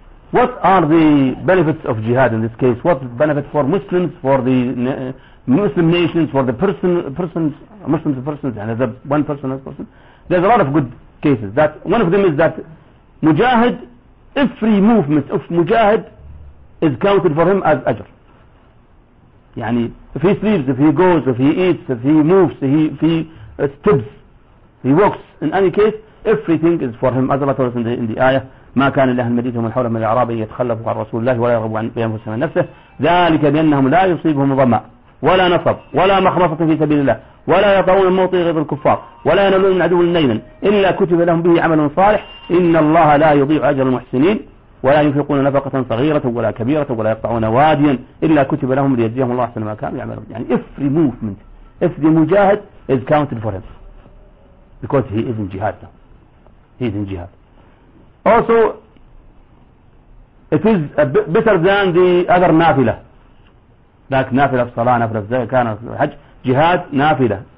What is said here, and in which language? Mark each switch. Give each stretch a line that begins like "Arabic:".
English: What are the benefits of jihad in this case? What benefit for Muslims, for the Muslim nations, for the Muslims, and as a one person, as a person? There's a lot of good cases. That one of them is that mujahid, every movement of mujahid is counted for him as ajr. Yani, if he sleeps, if he goes, if he eats, if he moves, if he steps, he walks, in any case, everything is for him. As Allah told us in the ayah,
Arabic: مَا كَانَ لَهَا الْمَدِيثُ وَمَا حَوْلَهُ مَا الْعَرَابِيَ يَتْخَلَّفُ عَلَى رَسُولُ اللَّهِ وَلَا يَرْغَبُ بِأَنفُسِهِمْ عَنْ نَفْسِهِ ذَلِكَ بِأَنَّهُمْ لَا يُصِيبُهُمْ ظَمَأٌ وَلَا نَصَبٌ وَلَا مَخْمَصَةٌ فِي سَبِيلِ اللَّهِ وَلَا يَطَؤُونَ الْمَوْطِئَ غَيْظَ الْكُفَّارِ وَلَا يَنَالُونَ مِنْ عَدُوٍّ نَيْلًا إِلَّا كُتِبَ لَهُمْ بِهِ عَمَلٌ صَالِحٌ إِنَّ اللَّهَ لَا يُضِيعُ أَجْرَ الْمُحْسِنِينَ وَلَا يُنْفِقُونَ نَفَقَةً صَغِيرَةً وَلَا كَبِيرَةً وَلَا يَقْطَعُونَ وَادِيًا إِلَّا كُتِبَ لَهُمْ لِيَجْزِيَهُمُ اللَّهُ أَحْسَنَ مَا كَانُوا يَعْمَلُونَ.
English: يعني every movement, every mujahid is counted for him because he is in jihad now. He is in jihad. Also, it is better than the other nafila. Like nafila of salah, nafila of zakah, nafila of hajj. Jihad, nafila.